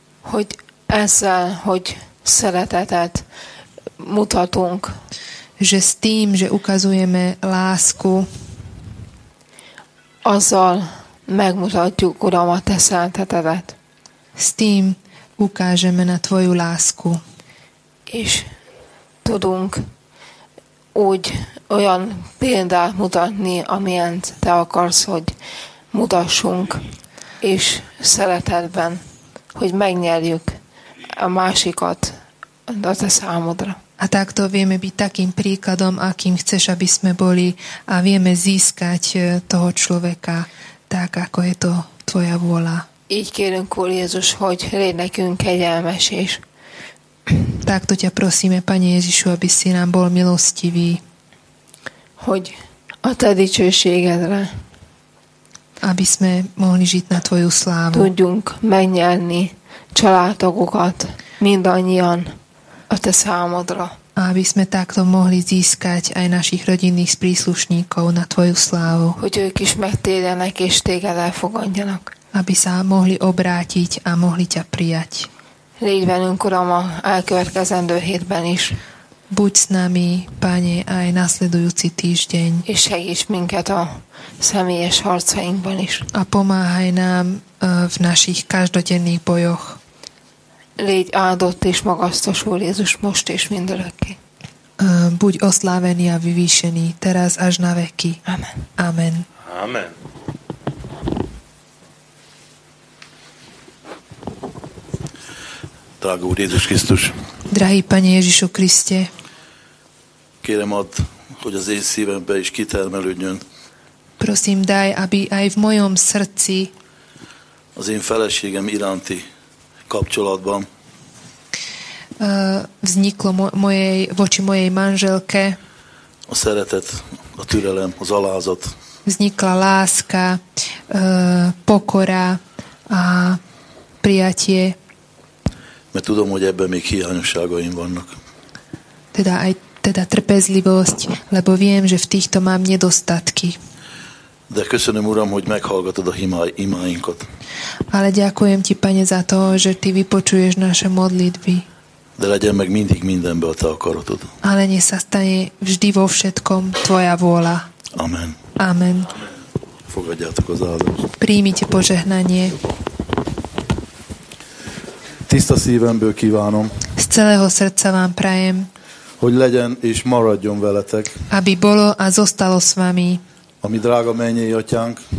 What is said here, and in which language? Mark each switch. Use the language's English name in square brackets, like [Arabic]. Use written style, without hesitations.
[Hungarian] hogy ezzel, hogy szeretetet mutatunk, [Slovak] že s tým, že ukazujeme lásku, [Hungarian] azzal megmutatjuk, Uram, a Te szeretetedet. [Slovak] S tým ukážeme na Tvoju lásku. [Hungarian] És tudunk úgy olyan példát mutatni, amilyent Te akarsz, hogy mutassunk, és szeretetben, hogy megnyerjük a másikat a Te számodra. [Slovak] A takto vieme byť takým príkladom, akým chceš, aby sme boli, a vieme získať toho človeka tak, ako je to Tvoja vôľa. [Hungarian] Így kérünk, Úr Jézus, hogy légy nekünk kegyelmes is. [Slovak] Takto ťa prosíme, Pane Ježišu, aby si nám bol milostivý. [Hungarian] Hogy a Te dicsőségedre. [Slovak] Aby sme mohli žiť na Tvoju slávu. [Hungarian] Tudjunk megnyerni családokokat, mindannyian. A Te számodra. [Slovak] A aby sme takto mohli získať aj našich rodinných príslušníkov na Tvoju slávu. [Hungarian] Hogy ők is megtérjenek és Téged elfogadjanak. [Slovak] Aby sa mohli obrátiť a mohli Ťa prijať. [Hungarian] Légy velünk, Uram, a elkövetkezendő hétben is. [Slovak] Buď s nami, Pane, aj nasledujúci týždeň. [Hungarian] És segíts minket a személyes harcainkban is. [Slovak] A pomáhaj nám v našich každodenných bojoch. [Hungarian] Légy áldott és magasztos, Úr Jézus, most és mindörökké. [Slovak] Buď oslávený a vyvýšený, teraz až na veky. Amen. Amen. Amen. Drahý [Hungarian] Úr Jézus Krisztus. [Slovak] Drahý Pane Ježišu Kriste. [Hungarian] Kérem ad, hogy az én szívembe is kitermelődjön. [Slovak] Prosím, daj, aby aj v mojom srdci [Hungarian] az én feleségem iránti kapcsolatban [Slovak] vzniklo mojej voči mojej manželke [Hungarian] a szeretet, a türelem, az alázat. [Slovak] Vznikla láska, pokora a prijatie. [Hungarian] Mert tudom, hogy ebben még hiányosságaim vannak. [Slovak] Teda aj teda trpezlivosť, lebo viem, že v týchto mám nedostatky. [Hungarian] De köszönöm, Uram, hogy meghallgatod a imáinkat. [Slovak] Ale ďakujem Ti, Pane, za to, že Ty vypočuješ naše modlitby. [Hungarian] De legyen meg mindig mindenbe a Te akaratod. [Slovak] Ale nech sa stane vždy vo všetkom Tvoja vôľa. [Hungarian] Amen. [Slovak] Amen. [Hungarian] Fogadjátok az áldozatot. [Slovak] Príjmite požehnanie. [Hungarian] Tiszta szívemből kívánom. [Slovak] Z celého srdca vám prajem. [Hungarian] Hogy legyen és maradjon veletek. [Slovak] Aby bolo a zostalo s vami. [Hungarian] A mi drága mennyei atyánk,